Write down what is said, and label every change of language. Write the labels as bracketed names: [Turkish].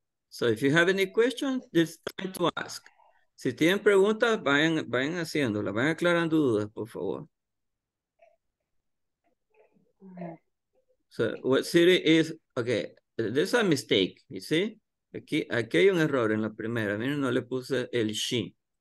[English] So if you have any questions, just try to ask. [Spanish] Si tienen preguntas, vayan haciéndolas, vayan aclarando dudas, por favor. [English] So what city is, okay, this is a mistake, you see? [Spanish] Aquí hay un error en la primera, miren, no le puse el she.